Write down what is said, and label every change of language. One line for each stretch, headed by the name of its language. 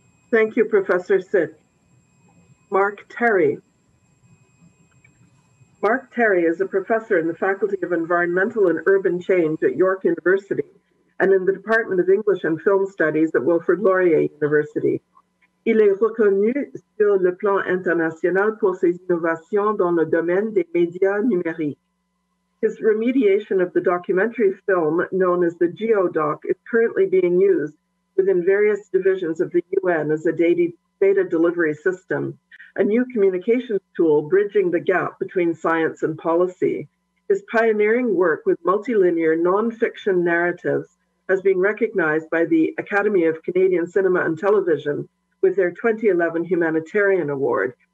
English: Thank you, Professor Sitt. Mark Terry. Mark Terry is a professor in the Faculty of Environmental and Urban Change at York University and in the Department of English and Film Studies at Wilfrid Laurier University.
French: Il est reconnu sur le plan international pour ses innovations dans le domaine des médias numériques.
English: His remediation of the documentary film known as the GeoDoc is currently being used within various divisions of the UN as a data delivery system, a new communications tool bridging the gap between science and policy. His pioneering work with multilinear nonfiction narratives has been recognized by the Academy of Canadian Cinema and Television with their 2011 Humanitarian Award.